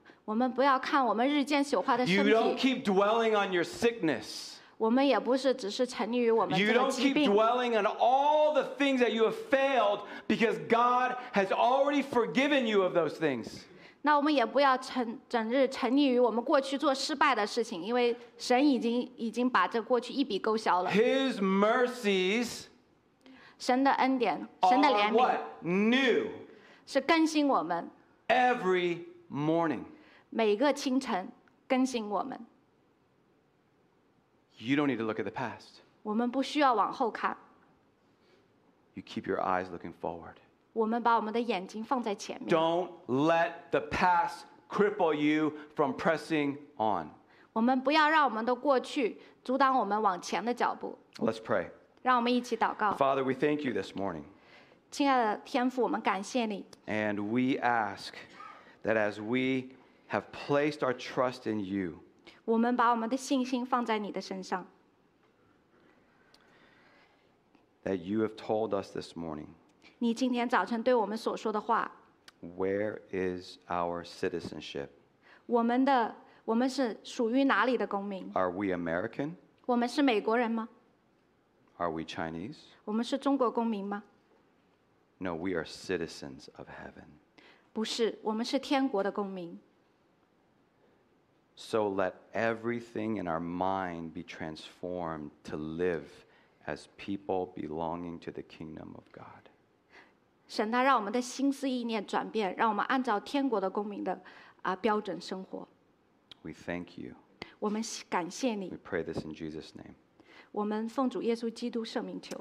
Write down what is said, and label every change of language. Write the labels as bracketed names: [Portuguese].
[Chinese] 我们不要看我们日渐朽化的身体。 [English] You don't keep dwelling on your sickness. [Chinese] 我们也不是只是沉溺于我们这个疾病。 [English] You don't keep dwelling on all the things that you have failed because God has already forgiven you of those things. [Chinese] 那我们也不要整日沉溺于我们过去做失败的事情，因为神已经把这过去一笔勾销了。 [English] His mercies, [Chinese] 神的恩典，神的怜悯 [English] are what? New. [Chinese] 是更新我们。 [English] Every morning. [Chinese] 每个清晨更新我们。 [English] You don't need to look at the past. [Chinese] 我们不需要往后看。 [English] You keep your eyes looking forward. [Chinese] 我们把我们的眼睛放在前面。 [English] Don't let the past cripple you from pressing on. [Chinese] 我们不要让我们的过去阻挡我们往前的脚步。 [English] Let's pray. [Chinese] 让我们一起祷告。 [English] Father, we thank you this morning. [Chinese] 亲爱的天父，我们感谢你。 [English] And we ask that as we have placed our trust in you. [Chinese] 我们把我们的信心放在你的身上。 [English] That you have told us this morning. [Chinese] 你今天早晨对我们所说的话。 [English] Where is our citizenship? [Chinese] 我们是属于哪里的公民? [English] Are we American? [Chinese] 我们是美国人吗? [English] Are we Chinese? [Chinese] 我们是中国公民吗? [English] No, we are citizens of heaven. [Chinese] 不是，我们是天国的公民。 [English] So let everything in our mind be transformed to live as people belonging to the kingdom of God. [Chinese] 神他让我们的心思意念转变，让我们按照天国的公民的标准生活。 [English] We thank you. [Chinese] 我们感谢你。 [English] We pray this in Jesus' name. [Chinese] 我们奉主耶稣基督圣名求。